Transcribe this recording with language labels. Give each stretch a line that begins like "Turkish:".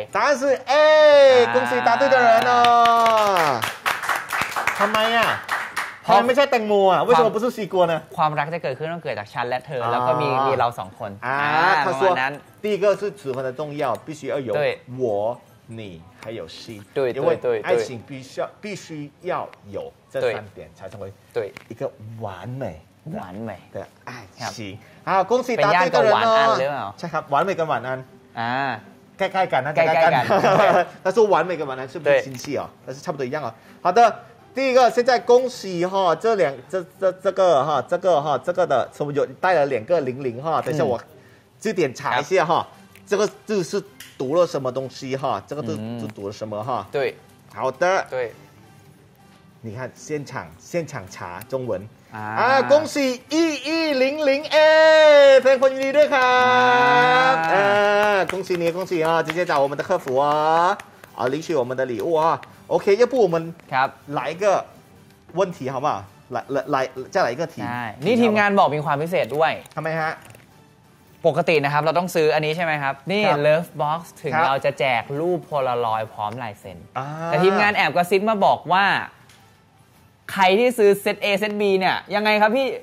Thai: สามสี่เอ้กุ้งสีตาตุ้ยเดินเนาะทำไมอ่ะมันไม่ใช่แตงโมอ่ะไม่ชอบปุ๊บสี่กลัวนะ ความรักจะเกิดขึ้นต้องเกิดจากฉันและเธอแล้วก็มีเราสองคน ประมาณนั้นตีก็คือสื่อความสำคัญ
Chinese: 必须要有我你还有心对因为爱情必须要有这三点才成为对一个完美的爱情好恭喜答对的人哦
Thai: ใช่ครับ
Chinese: 完美跟晚安
Thai: ใกล้ๆกันนะ ใกล้ๆกัน แต่
Chinese: 说完美跟晚安是不是亲戚哦但是差不多一样哦好的第一个现在恭喜哈这两这个哈这个哈这个的什么有带了两个零零哈等一下我字典查一下哈这个字是读了什么东西哈这个字是读了什么哈对好的对你看现场查中文啊恭喜1100 A 非常欢迎你的卡恭喜你恭喜啊直接找我们的客服啊领取我们的礼物啊OK 要不我们来一个问题好不好来再来一个题
Thai: นี่ทีมงานบอกมีความพิเศษด้วย ทำไมฮะ ปกตินะครับเราต้องซื้ออันนี้ใช่ไหมครับนี่ Love Box ถึงเราจะแจกรูปโพลารอยด์พร้อมลายเซ็นแต่ทีมงานแอบกระซิบมาบอกว่า ใครที่ซื้อเซต A เซต B เนี่ยยังไงครับพี่